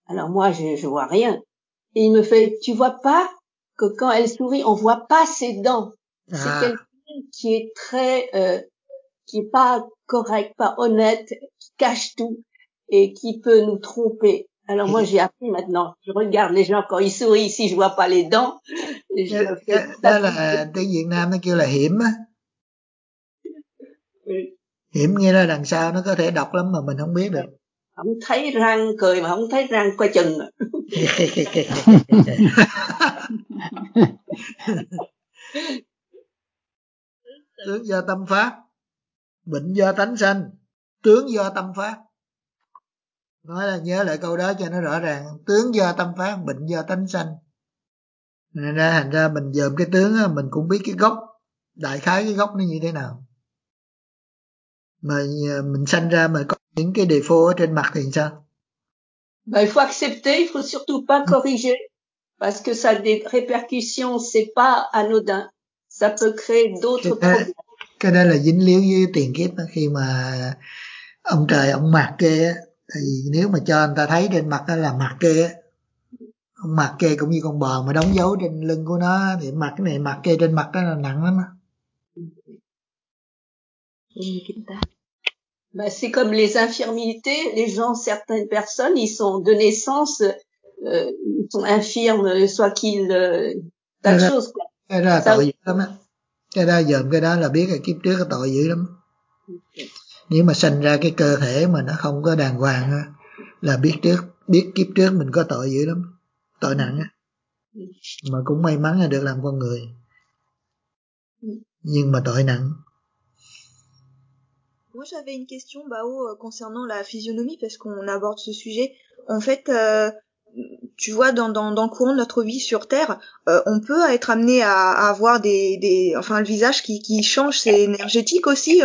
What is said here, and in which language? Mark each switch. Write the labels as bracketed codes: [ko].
[fr] Alors, moi, je vois rien. Et il me fait, tu vois pas que quand elle sourit, on voit pas ses dents. C'est quelqu'un qui est très... qui est pas correct, pas honnête, qui cache tout et qui peut nous tromper. Alors moi j'ai appris maintenant. Je regarde les gens quand ils sourient, si je vois pas les dents, je fais. [vi] Là, tiếng Việt Nam nó kêu là hiểm. Hiểm nghĩa là đằng sau nó có thể độc lắm mà mình không biết được. Không thấy răng cười mà không thấy răng coi chừng. Tướng do tâm phát. Bệnh do tánh sanh, tướng do tâm phát. Nói là nhớ lại câu đó cho nó rõ ràng. Tướng do tâm phát, bệnh do tánh sanh. Nên ra thành ra mình dòm cái tướng, mình cũng biết cái gốc, đại khái cái gốc nó như thế nào. Mà mình sanh ra mà có những cái défaut ở trên mặt thì sao? [fr] Ben, il faut accepter, il faut surtout pas corriger. Parce que ça a des répercussions, c'est pas anodin. Ça peut créer d'autres problèmes. [vi] Cái đó là dính líu với tiền kiếp đó. Khi mà ông trời ông mặc kê á, thì nếu mà cho người ta thấy trên mặt đó là mặc kê á, ông mặc kê cũng như con bò mà đóng dấu trên lưng của nó thì mặc cái này mặc kê trên mặt đó là nặng lắm á. [fr] Bah c'est comme les infirmités, les gens, certaines personnes ils sont de naissance ils sont infirmes soit qu'ils telle chose quoi. [vi] Ça cái đó dòm cái đó là biết là kiếp trước có tội dữ lắm. Nếu mà sinh ra cái cơ thể mà nó không có đàng hoàng là biết trước, biết kiếp trước mình có tội dữ lắm, tội nặng á. Mà cũng may mắn là được làm con người, nhưng mà tội nặng. [fr] Moi j'avais une question Bao concernant la physionomie parce qu'on aborde ce sujet. En fait tu vois, dans le courant de notre vie sur Terre, on peut être amené à avoir enfin, le visage qui change, c'est énergétique aussi.